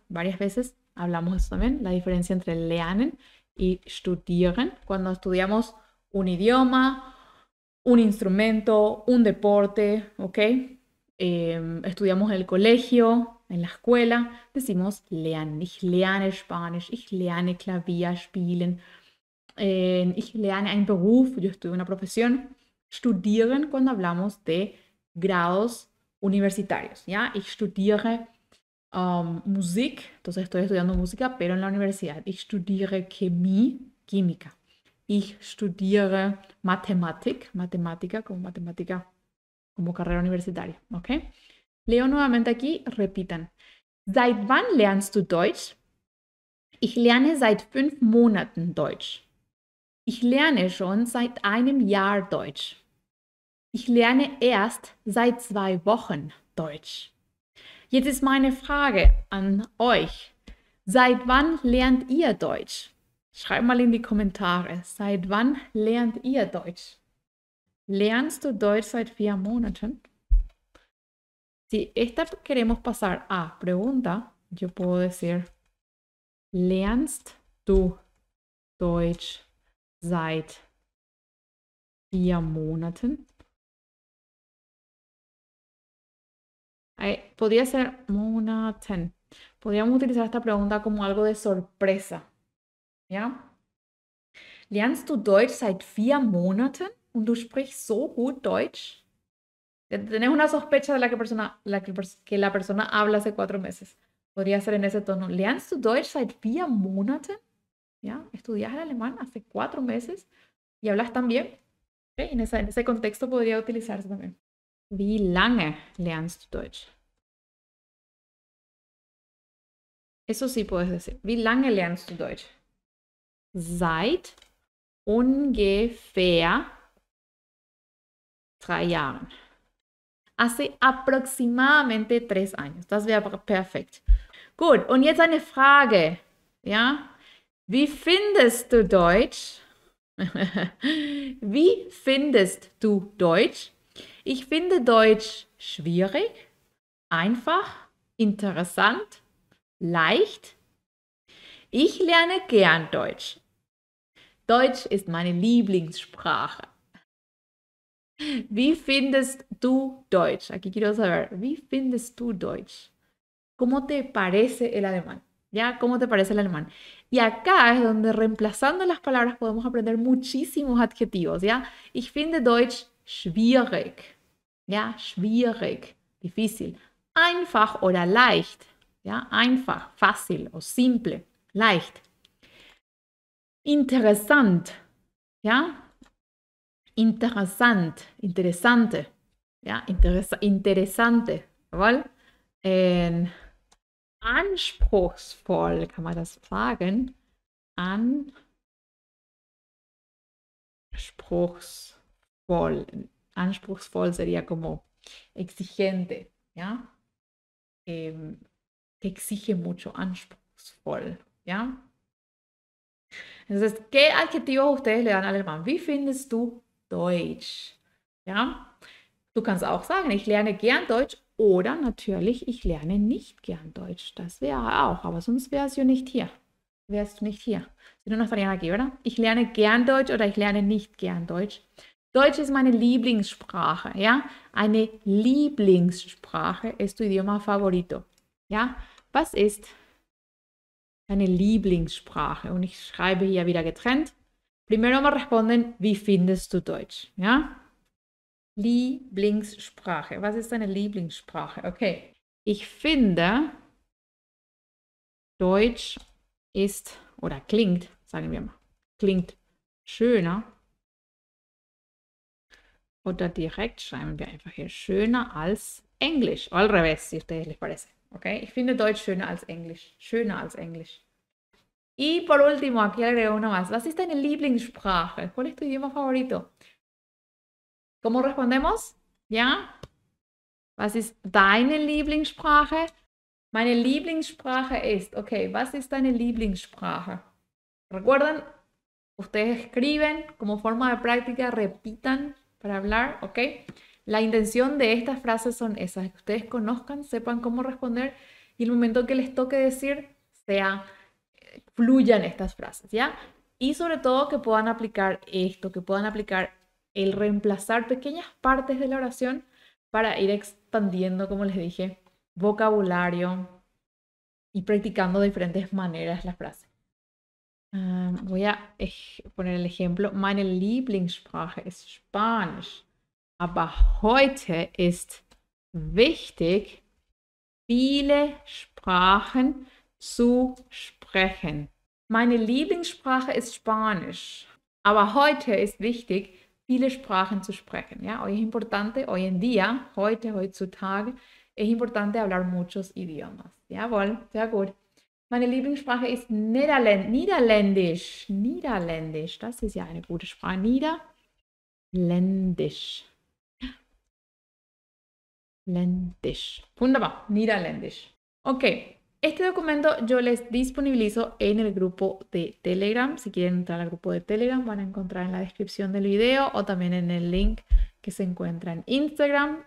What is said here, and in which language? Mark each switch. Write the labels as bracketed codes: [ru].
[es] Varias veces hablamos de eso también, la diferencia entre lernen y studieren. Cuando estudiamos un idioma, un instrumento, un deporte, ¿ok? Estudiamos en el colegio, en la escuela, decimos lernen. [de] Ich lerne Spanisch, ich lerne Klavier spielen, ich lerne einen Beruf, [es] yo estudio una profesión. Studieren cuando hablamos de grados universitarios, ¿ya? [de] Ich studiere [es] Musik, entonces estoy estudiando música, pero en la universidad. [de] Ich studiere Chemie, Química. Ich studiere Mathematik, [es] Mathematica, como matemática, como carrera universitaria. Okay. Leo nuevamente aquí, repitan. [de] ¿Seit wann lernst du Deutsch? Ich lerne seit 5 Monaten Deutsch. Ich lerne schon seit einem Jahr Deutsch. Ich lerne erst seit 2 Wochen Deutsch. Jetzt ist meine Frage an euch. Seit wann lernt ihr Deutsch? Schreibt mal in die Kommentare. Seit wann lernt ihr Deutsch? Lernst du Deutsch seit 4 Monaten? [es] Si esta queremos pasar a pregunta, yo puedo decir, [de] ¿lernst du Deutsch seit 4 Monaten? [es] Podría ser Monaten. Podríamos utilizar esta pregunta como algo de sorpresa. ¿Ya? [de] ¿Lernst du Deutsch seit 4 Monaten? [es] ¿Y tú [de] sprichst so gut Deutsch? [es] Tenés una sospecha de que la persona habla hace 4 meses. Podría ser en ese tono. [de] ¿Lernst du Deutsch seit 4 Monaten? [es] ¿Ya? ¿Estudias el alemán hace 4 meses y hablas tan bien? ¿Okay? En ese contexto podría utilizarse también. [de] Wie lange lernst du Deutsch? [es] Eso sí puedes decir. [de] Wie lange lernst du Deutsch? Seit ungefähr 3 Jahren. [es] Hace aproximadamente 3 años. [de] Das wäre perfekt. Gut, und jetzt eine Frage. Ja? Wie findest du Deutsch? Wie findest du Deutsch? Ich finde Deutsch schwierig, einfach, interessant, leicht. Ich lerne gern Deutsch. Deutsch ist meine Lieblingssprache. Wie findest du Deutsch? [es] Aquí quiero saber, [de] wie findest du Deutsch? [es] ¿Cómo te parece el alemán? ¿Ya? ¿Cómo te parece el alemán? Y acá es donde reemplazando las palabras podemos aprender muchísimos adjetivos, ¿ya? [de] Ich finde Deutsch schwierig. ¿Ya? Schwierig, difícil. Einfach oder leicht. ¿Ya? [es] Einfach, fácil o simple. Leicht. Interessant. ¿Ya? [de] Interessant, interessante, ja, interessante, jawohl. Anspruchsvoll, kann man das sagen? [es] Anspruchsvoll sería como exigente, ja. Exige mucho, anspruchsvoll, ja. Entonces, ¿qué adjetivo ustedes le dan al alemán? [de] ¿Wie findest du Deutsch? Ja, du kannst auch sagen, ich lerne gern Deutsch oder natürlich, ich lerne nicht gern Deutsch. Das wäre auch, aber sonst wärst du nicht hier. Wärst du nicht hier. [es] Sino no estarían aquí, ¿verdad? [de] Ich lerne gern Deutsch oder ich lerne nicht gern Deutsch. Deutsch ist meine Lieblingssprache, ja? Eine Lieblingssprache ist [es] tu idioma favorito. [de] Ja, was ist deine Lieblingssprache? Und ich schreibe hier wieder getrennt. [es] Primero me responden, [de] wie findest du Deutsch? Ja? Lieblingssprache. Was ist deine Lieblingssprache? Okay. Ich finde, Deutsch ist oder klingt, sagen wir mal, klingt schöner. Oder direkt schreiben wir einfach hier schöner als Englisch. [es] Al revés, si ustedes les parece. Okay. [de] Ich finde Deutsch schöner als Englisch. Schöner als Englisch. [es] Y por último, aquí agrego una más. [de] Was ist deine Lieblingssprache? [es] ¿Cuál es tu idioma favorito? ¿Cómo respondemos? ¿Ya? [de] Was ist deine Lieblingssprache? Meine Lieblingssprache ist, okay, was ist deine Lieblingssprache? [es] Recuerden, ustedes escriben como forma de práctica, repitan para hablar, ¿ok? La intención de estas frases son esas, que ustedes conozcan, sepan cómo responder y el momento que les toque decir sea fluyan estas frases, ¿ya? Y sobre todo que puedan aplicar esto, que puedan aplicar el reemplazar pequeñas partes de la oración para ir expandiendo, como les dije, vocabulario y practicando de diferentes maneras las frases. Voy a poner el ejemplo. [de] Meine Lieblingssprache ist Spanisch, aber heute ist wichtig, viele Sprachen zu sprechen. Meine Lieblingssprache ist Spanisch. Aber heute ist wichtig, viele Sprachen zu sprechen. Ja? [es] Hoy es importante, hoy en día, heute, heutzutage, es importante hablar muchos idiomas. [de] Jawohl, sehr gut. Meine Lieblingssprache ist Niederländisch. Niederländisch, das ist ja eine gute Sprache. Niederländisch. Ländisch. Wunderbar, Niederländisch. Okay. [es] Este documento yo les disponibilizo en el grupo de Telegram. Si quieren entrar al grupo de Telegram, van a encontrar en la descripción del video o también en el link que se encuentra en Instagram.